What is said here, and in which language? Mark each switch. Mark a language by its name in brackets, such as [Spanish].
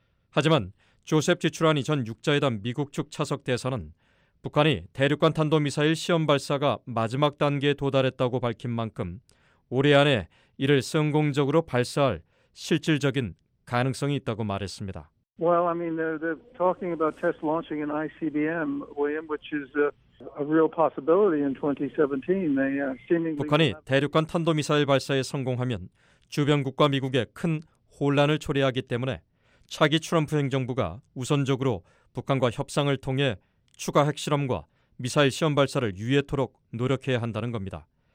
[Korean] 하지만 조셉 지출하니 전 6자회담 미국 측 차석 대사는 북한이 대륙간 탄도미사일 시험 발사가 마지막 단계에 도달했다고 밝힌 만큼 올해 안에 이를 성공적으로 발사할 실질적인 가능성이 있다고 말했습니다. [English] Well, I mean, they're talking about test launching an ICBM, which is a real possibility in 2017. They seemingly [Korean] 북한이 대륙간 탄도미사일 발사에 성공하면 주변 국가 미국에 큰 혼란을 초래하기 때문에 차기 트럼프 행정부가 우선적으로 북한과 협상을 통해 추가 핵실험과 미사일 시험 발사를 유예토록 노력해야 한다는 겁니다.